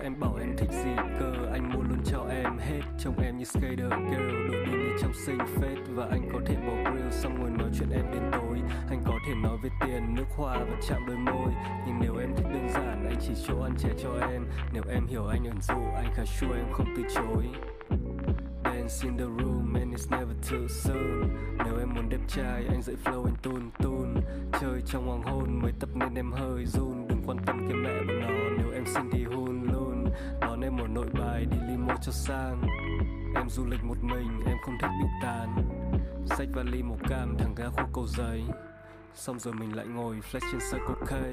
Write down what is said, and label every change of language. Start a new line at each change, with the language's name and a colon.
Vietnamese: Em bảo em thích gì cơ, anh mua luôn cho em hết. Trông em như skater girl, đôi đi như trong sinh phết. Và anh có thể bỏ grill, xong rồi nói chuyện em đến tối. Anh có thể nói về tiền, nước hoa và chạm đôi môi. Nhưng nếu em thích đơn giản, anh chỉ chỗ ăn chè cho em. Nếu em hiểu anh ẩn dụ, anh khá sure em không từ chối.
English: In the room and it's never too soon.
Vietnamese: Nếu em muốn đẹp trai, anh dậy flow anh tun tun. Chơi trong hoàng hôn, mới tập nên em hơi run. Đừng quan tâm kiếm mẹ bọn nó, nếu em xin thì hôn luôn. Đón em ở Nội Bài, đi limo cho sang. Em du lịch một mình, em không thích bị tàn. Xách vali màu cam, thằng ga khu Cầu Giấy. Xong rồi mình lại ngồi flex trên Circle K.